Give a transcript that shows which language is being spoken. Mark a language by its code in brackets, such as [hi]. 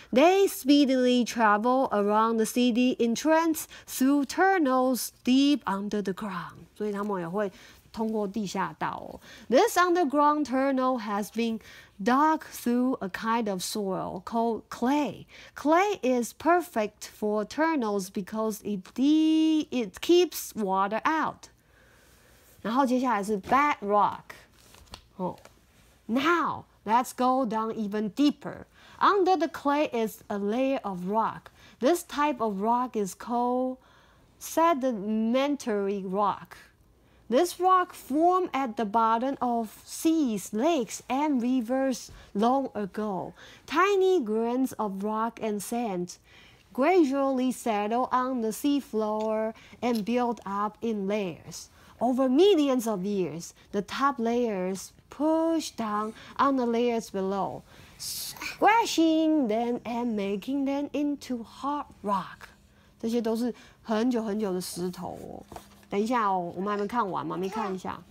[en] They speedily travel around the city entrance through tunnels deep under the ground. [zh] 所以他们也会通过地下道哦。 [en] This underground tunnel has been dug through a kind of soil called clay. Clay is perfect for tunnels because it keeps water out. [zh] 然后接下来是 [en] bedrock. 哦、oh. ，Now let's go down even deeper. Under the clay is a layer of rock. This type of rock is called sedimentary rock. This rock formed at the bottom of seas, lakes, and rivers long ago. Tiny grains of rock and sand gradually settled on the seafloor and built up in layers. Over millions of years, the top layers pushed down on the layers below, squashing them and making them into hard rock. [zh] 这些都是很久很久的石头哦。等一下哦，我们还没看完，妈咪看一下。